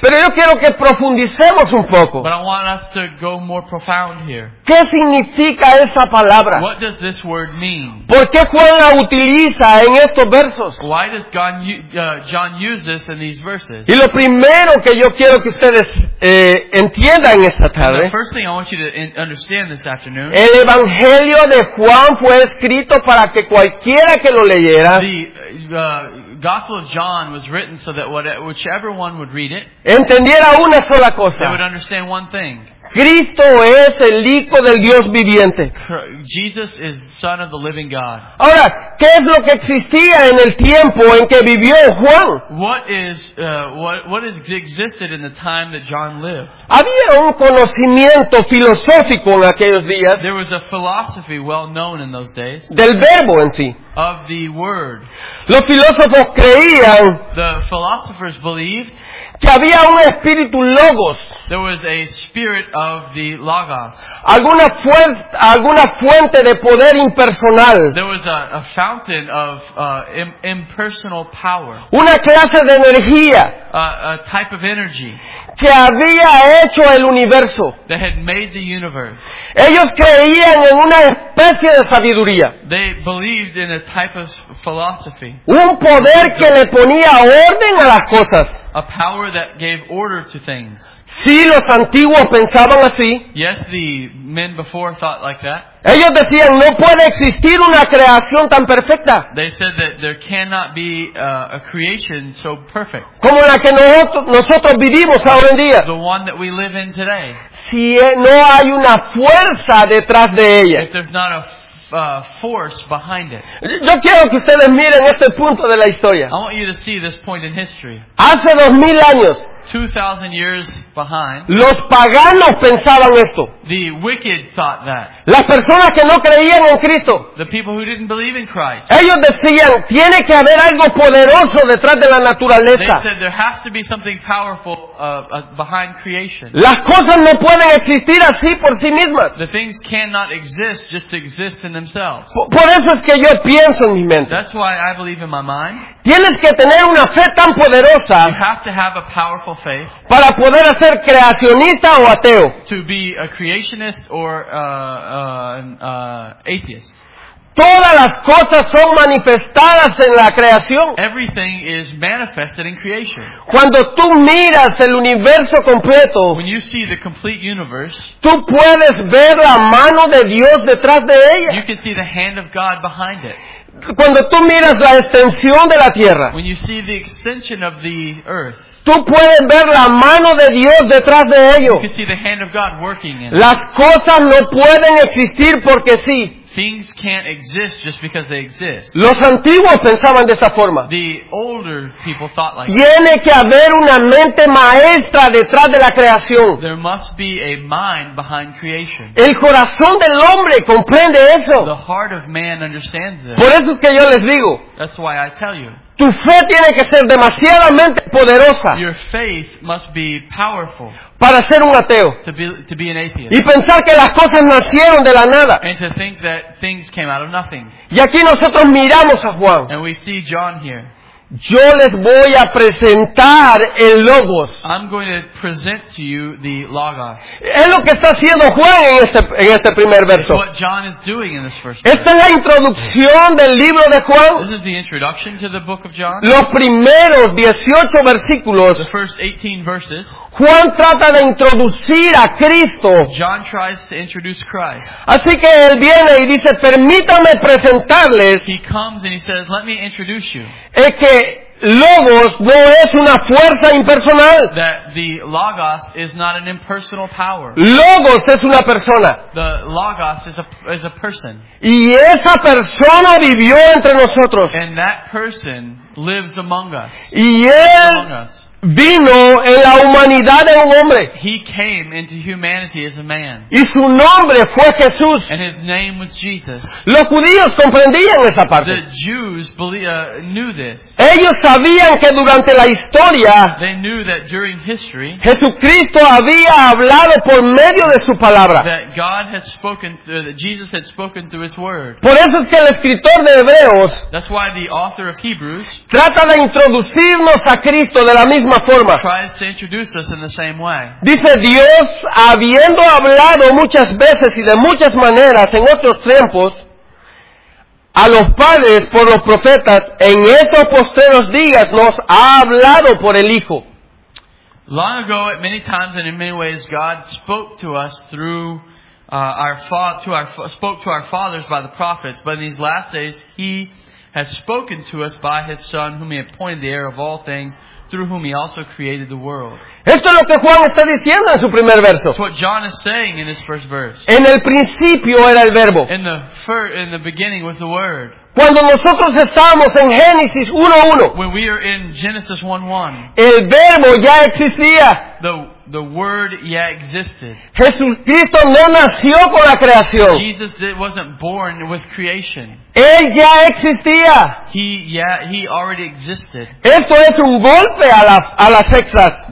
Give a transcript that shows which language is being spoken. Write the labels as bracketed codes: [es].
[es] Pero yo quiero que profundicemos un poco. [en] But I want us to go more profound here. [es] ¿Qué significa esa palabra? [en] What does this word mean? [es] ¿Por qué Juan la utiliza en estos versos? [en] Why does John use this in these verses? [es] Y lo primero que yo quiero que ustedes entiendan esta tarde. [en] The first thing I want you to understand this afternoon. [es] El evangelio de Juan fue escrito para que cualquiera que lo leyera. [en] Gospel of John was written so that whichever one would read it, [es] entendiera una sola cosa. [en] They would understand one thing. [es] Cristo es el Hijo del Dios viviente. [en] Jesus is Son of the Living God. [es] Ahora, ¿qué es lo que existía en el tiempo en que vivió Juan? [en] What existed in the time that John lived? [es] Había un conocimiento filosófico en aquellos días. [en] There was a philosophy well known in those days. [es] Del verbo en sí. [en] Of the word. [es] Los filósofos creían. [en] The philosophers believed. [es] que había un espíritu logos. [en] There was a spirit of the logos. [es] Alguna fuente de poder impersonal. [en] There was a fountain of impersonal power. [es] Una clase de energía. [en] A type of energy. [es] Que había hecho el universo. [en] They had made the universe. [es] Ellos creían en una especie de sabiduría. [en] They believed in a type of philosophy. [es] Un poder que le ponía orden a las cosas. [en] A power that gave order to things. [es] Sí, los antiguos pensaban así. [en] Yes, the men before thought like that. [es] Ellos decían, no puede existir una creación tan perfecta. [en] They said that there cannot be a creation so perfect. [es] Como la que nosotros vivimos ahora en día. [en] The one that we live in today. [es] Si no hay una fuerza detrás de ella. [en] If there's not a force behind it. [es] Yo quiero que ustedes miren este punto de la historia. [en] I want you to see this point in history. [es] Hace 2000 años. [en] 2000 years behind. [es] Los paganos pensaban esto. [en] The wicked thought that. [es] Las personas que no creían en Cristo. [en] The people who didn't believe in Christ. [es] Ellos decían, tiene que haber algo poderoso detrás de la naturaleza. [en] They said there has to be something powerful behind creation. [es] Las cosas no pueden existir así por sí mismas. [en] The things cannot exist just to exist in themselves. [es] Por eso es que yo pienso en mi mente. [en] That's why I believe in my mind. [es] Tienes que tener una fe tan poderosa. [en] You have to have a powerful faith. [es] Para poder ser creacionista o ateo. [en] To be a creationist or an atheist. [es] Todas las cosas son manifestadas en la creación. [en] Everything is manifested in creation. [es] Cuando tú miras el universo completo, [en] when you see the complete universe, [es] tú puedes ver la mano de Dios detrás de ella. [en] You can see the hand of God behind it. [es] Cuando tú miras la extensión de la tierra, [en] when you see the extension of the earth, [es] tú puedes ver la mano de Dios detrás de ello. [en] You can see the hand of God working in it. [es] Las cosas no pueden existir porque sí. [en] Things can't exist just because they exist. [es] Los antiguos pensaban de esa forma. [en] The older people thought like [es] tiene que haber una mente maestra detrás de la creación. [en] There must be a mind behind creation. [es] El corazón del hombre comprende eso. [en] The heart of man understands this. [es] Por eso es que yo les digo. [en] That's why I tell you. [es] Tu fe tiene que ser demasiadamente poderosa. [en] Your faith must be powerful. [es] Para ser un ateo. [en] To be an atheist. [es] Y pensar que las cosas nacieron de la nada. [en] And to think that things came out of nothing. [es] Y aquí nosotros miramos a Juan. [en] And we see John here. [es] Yo les voy a presentar el Logos. [en] I'm going to present to you the Logos. [es] Es lo que está haciendo Juan en este primer verso. [en] What John is doing in this first verse. [es] Esta es la introducción del libro de Juan. [en] This is the introduction to the book of John. [es] Los primeros 18 versículos. [en] The first 18 verses. [es] Juan trata de introducir a Cristo. [en] John tries to introduce Christ. [es] Así que él viene y dice, permítame presentarles. [en] He comes and he says, let me introduce you. [es] Que Logos no es una fuerza impersonal. [en] That the Logos is not an impersonal power. [es] Logos es una persona. [en] The Logos is a person. [es] Y esa persona vivió entre nosotros. [en] And that person lives among us. [es] Y él vino en la humanidad de un hombre. [en] He came into humanity as a man. [es] Y su nombre fue Jesús. [en] And his name was Jesus. [es] Los judíos comprendían esa parte. [en] The Jews knew this. [es] Ellos sabían que durante la historia, [en] they knew that during history, [es] Jesucristo había hablado por medio de su palabra. [en] That God had spoken through, that Jesus had spoken through his word. [es] Por eso es que el escritor de Hebreos, [en] that's why the author of Hebrews, [es] trata de introducirnos a Cristo de la misma forma. [en] Tries to introduce us in the same way. [es] Dice Dios, habiendo hablado muchas veces y de muchas maneras en otros tiempos a los padres por los profetas, en estos postreros días nos ha hablado por el Hijo. [en] Long ago, at many times and in many ways, God spoke to us through spoke to our fathers by the prophets, but in these last days he has spoken to us by his Son, whom he appointed the heir of all things, through whom he also created the world. [es] Esto es lo que Juan está diciendo en su primer verso. [en] That's what John is saying in his first verse. [es] En el principio era el verbo. [en] In the beginning was the word. [es] Cuando nosotros estamos en Génesis 1:1, [en] when we are in Genesis 1:1, [es] el verbo ya existía. [en] The word yet existed. [es] Jesucristo no nació con la creación. [en] Jesus wasn't born with creation. [es] Él ya existía. [en] He already existed. [es] Esto es un golpe a las exas.